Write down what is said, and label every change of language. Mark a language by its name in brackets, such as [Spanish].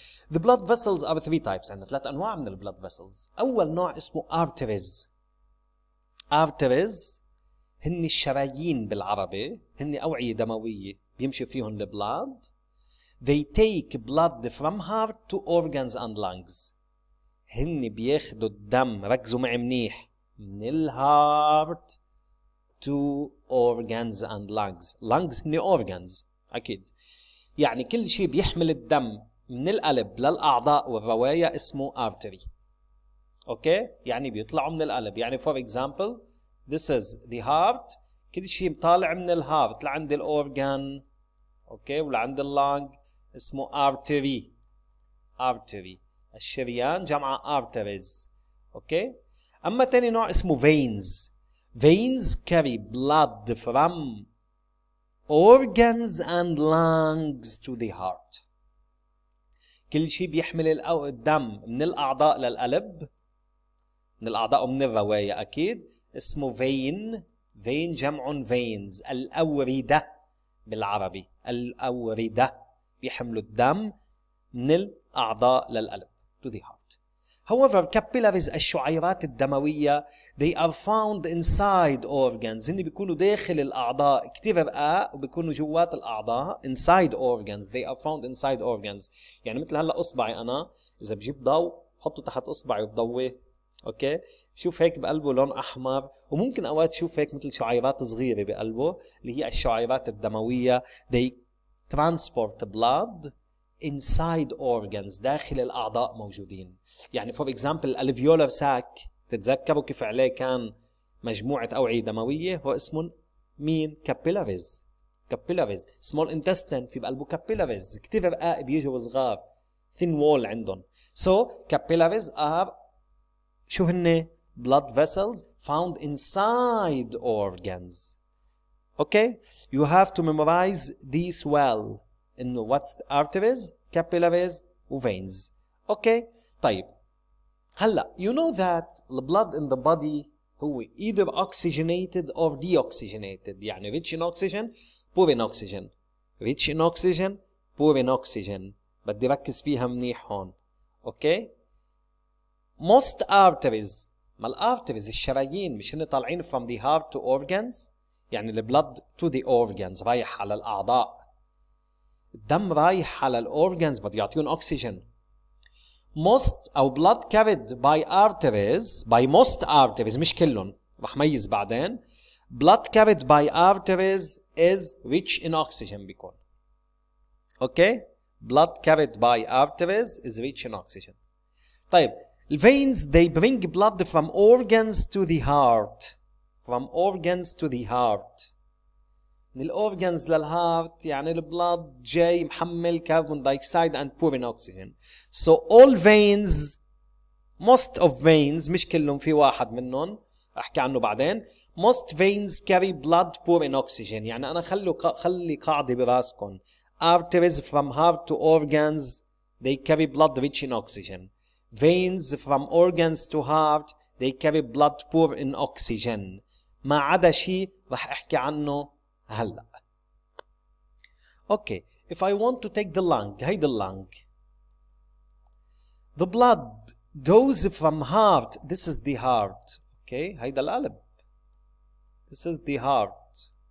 [English] The blood vessels are three types [Arabic] يعني ثلاث أنواع من [English] the blood vessels. [Arabic] أول نوع اسمه arteries. Arteries هن الشرايين بالعربي، هن أوعية دموية بيمشي فيهم البلاد. [English] They take blood from heart to organs and lungs. [Arabic] هن بياخدوا الدم، ركزوا معي منيح، من الهارت [English] to organs and lungs. [Arabic] Lungs هن organs أكيد. يعني كل شيء بيحمل الدم من القلب للأعضاء والرواية اسمه artery. أوكي؟ يعني بيطلعوا من القلب. [English] يعني for example this is the heart. [Arabic] كل شيء طالع من الهارت لعند الأورغان أوكي ولعند اللانج اسمه artery. artery الشريان جمع arteries. أوكي؟ أما تاني نوع اسمه veins. [English] Veins carry blood from organs and lungs to the heart. [Arabic] كل شيء بيحمل الدم من الأعضاء للقلب، من الأعضاء ومن الرواية أكيد، اسمه vein. vein جمع veins، الأوردة بالعربي، الأوردة بيحملوا الدم من الأعضاء للقلب [English] to the heart. However, capillaries, [Arabic] الشعيرات الدموية, [English] they are found inside organs. [Arabic] هن بيكونوا داخل الأعضاء كتير رقاق وبيكونوا جوات الأعضاء. [English] Inside organs, they are found inside organs. [Arabic] يعني مثل هلا أصبعي أنا إذا بجيب ضوء حطه تحت أصبعي بضوي. أوكي؟ شوف هيك بقلبه لون أحمر وممكن أوقات شوف هيك مثل شعيرات صغيرة بقلبه اللي هي الشعيرات الدموية. [English] They transport blood inside organs [Arabic] داخل الأعضاء موجودين. يعني for example alveolar sac تتذكروا كيف عليه كان مجموعة أوعية دموية هو اسمه مين؟ capillaries. capillaries small intestine في بقلبه capillaries كتير رقاق بيجوا صغار [English] thin wall [Arabic] عندهم. [English] so capillaries are [Arabic] شو هن؟ [English] blood vessels found inside organs. okay you have to memorize this well in what's the arteries capillaries veins. okay [Arabic] طيب هلا [English] you know that the blood in the body هو either oxygenated or deoxygenated. يعني rich in oxygen poor in oxygen, rich in oxygen poor in oxygen. [Arabic] بدي ركز فيها منيح هون. [English] okay most arteries [Arabic] ما الارتريز الشرايين مش هن طالعين [English] from the heart to organs. [Arabic] يعني [English] the blood to the organs [Arabic] رايح على الاعضاء، الدم رايح على الأورغانز بده يعطيهم أكسجين. [English] most أو blood carried by arteries by most arteries [Arabic] مش كلهم رح ميز بعدين. [English] blood carried by arteries is rich in oxygen بيكون. okay blood carried by arteries is rich in oxygen. طيب the veins they bring blood from organs to the heart. from organs to the heart [Arabic] من الأورغانز للهارت يعني البلد جاي محمل كربون دايكسايد [English] and poor in oxygen. so all veins most of veins [Arabic] مش كلهم في واحد منهم أحكي عنه بعدين. [English] most veins carry blood poor in oxygen. [Arabic] يعني أنا خلي قاعدة براسكم [English] arteries from heart to organs they carry blood rich in oxygen. veins from organs to heart they carry blood poor in oxygen. [Arabic] ما عدا شيء رح أحكي عنه هلا. [English] okay if I want to take the lung [Arabic] هيدا اللانج [English] the blood goes from heart this is the heart. [Arabic] اوكي هيدا القلب [English] this is the heart.